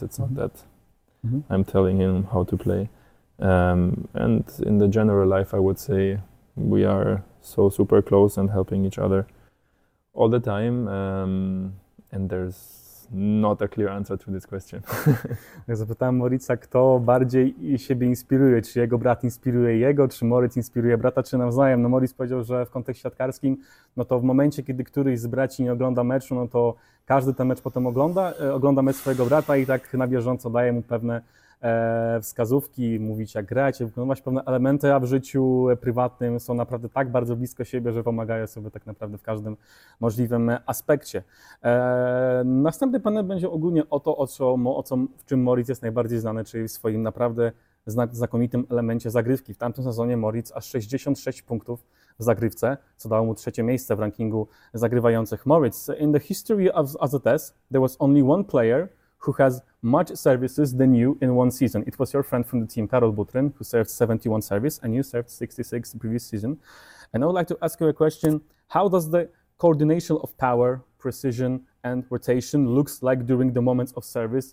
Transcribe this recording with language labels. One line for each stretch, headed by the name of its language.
English: It's not that I'm telling him how to play. And in the general life, I would say we are so super close and helping each other all the time, and there's not a clear answer to this question.
Polish: Ja zapytałem Morica, kto bardziej siebie inspiruje, czy jego brat inspiruje jego, czy Moritz inspiruje brata, czy nawzajem. No Moritz powiedział, że w kontekście siatkarskim, no to w momencie, kiedy któryś z braci nie ogląda meczu, no to każdy ten mecz potem ogląda mecz swojego brata i tak na bieżąco daje mu pewne wskazówki, mówić jak grać, wykonywać pewne elementy, a w życiu prywatnym są naprawdę tak bardzo blisko siebie, że pomagają sobie tak naprawdę w każdym możliwym aspekcie. Następny panel będzie ogólnie o to, w czym Moritz jest najbardziej znany, czyli w swoim naprawdę znakomitym elemencie zagrywki. W tamtym sezonie Moritz aż 66 punktów w zagrywce, co dało mu trzecie miejsce w rankingu zagrywających.
English: Moritz, in the history of AZS, there was only one player who has much services than you in one season. It was your friend from the team, Karol Butryn, who served 71 service, and you served 66 the previous season. And I would like to ask you a question. How does the coordination of power, precision, and rotation looks like during the moments of service?